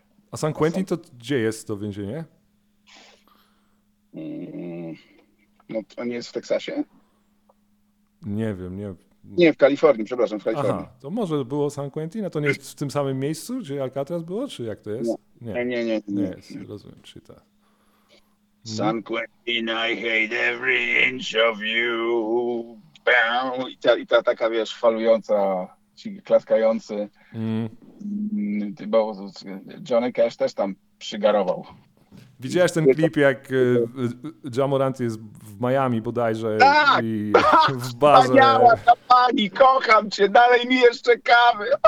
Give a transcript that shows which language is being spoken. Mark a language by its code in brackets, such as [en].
[pl] A San Quentin to gdzie jest to więzienie? No to nie jest w Teksasie? Nie wiem, nie. Nie, w Kalifornii, przepraszam, w Kalifornii. Aha, to może było San Quentin, a to nie jest w tym samym miejscu, gdzie Alcatraz było, czy jak to jest? Nie. Rozumiem, czy tak. [en] San Quentin, I hate every inch of you. Bam! [pl] I ta taka, wiesz, falująca, ci klaskający. Bo Johnny Cash też tam przygarował. Widziałeś ten klip, jak Ja Morant jest w Miami bodajże, tak, i w bazie. Wspaniała ta pani, kocham cię, dalej mi jeszcze kawy.